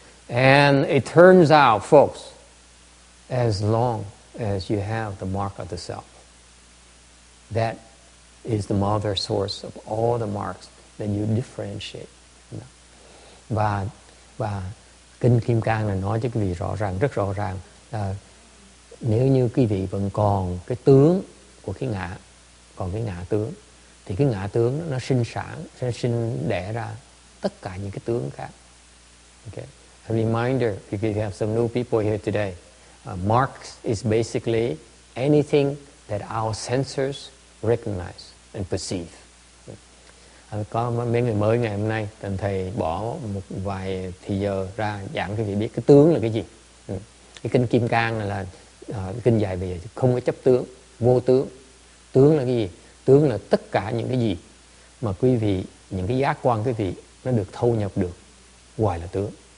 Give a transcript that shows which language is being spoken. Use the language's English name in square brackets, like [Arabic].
[English] And it turns out, folks, as long as you have the mark of the self, that is the mother source of all the marks, then you differentiate. [Vietnamese] Và Kinh Kim Cang là nói cho quý vị rõ ràng, rất rõ ràng, nếu như quý vị vẫn còn cái tướng của cái ngã, còn cái ngã tướng, thì cái ngã tướng nó sinh sản, sẽ sinh đẻ ra tất cả những cái tướng khác. [English] Okay. A reminder, because we have some new people here today, marks is basically anything that our senses recognize and perceive. [Vietnamese] Có mấy người mới ngày hôm nay, thành thầy bỏ một vài thời giờ ra giảng cho quý vị biết cái tướng là cái gì. Cái kinh Kim Cang là kinh dạy về không có chấp tướng, vô tướng. Tướng là cái gì? Tướng là tất cả những cái gì mà quý vị, những cái giác quan quý vị nó được thâu nhập được, gọi là tướng.